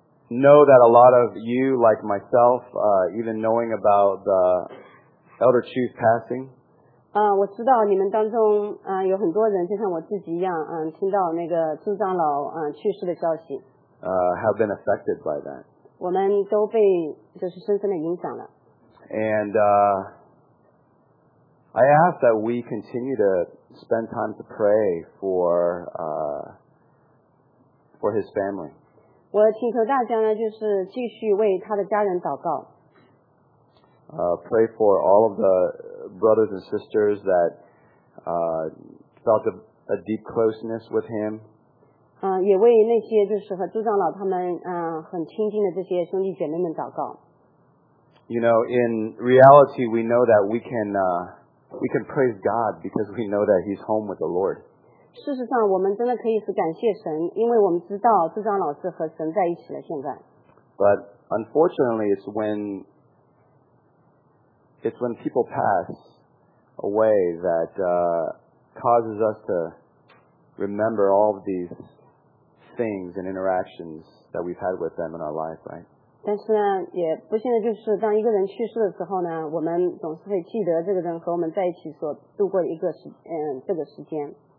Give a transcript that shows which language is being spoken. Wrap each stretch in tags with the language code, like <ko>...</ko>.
<en>Know that a lot of you, like myself, even knowing about the Elder Chu's passing.</en> <zh>我知道你们当中有很多人就像我自己一样听到那个朱长老去世的消息。</zh> <en>Have been affected by that.</en> <zh>我们都被就是深深的影响了。</zh> <en>And I ask that we continue to spend time to pray for his family.</en> <zh>我请求大家呢，就是继续为他的家人祷告。</zh> <en>Pray for all of the brothers and sisters that felt a deep closeness with him.</en> <zh>也为那些就是和朱长老他们很亲近的这些兄弟姐妹们祷告。</zh> <en>You know, in reality, we know that we can praise God because we know that He's home with the Lord.</en> <zh>事实上我们真的可以是感谢神因为我们知道朱长老是和神在一起了现在</zh> <en>But unfortunately it's when people pass away that causes us to remember all of these things and interactions that we've had with them in our life, right?</en> <zh>但是呢也不幸的就是当一个人去世的时候呢我们总是会记得这个人和我们在一起所度过一个这个时间</zh>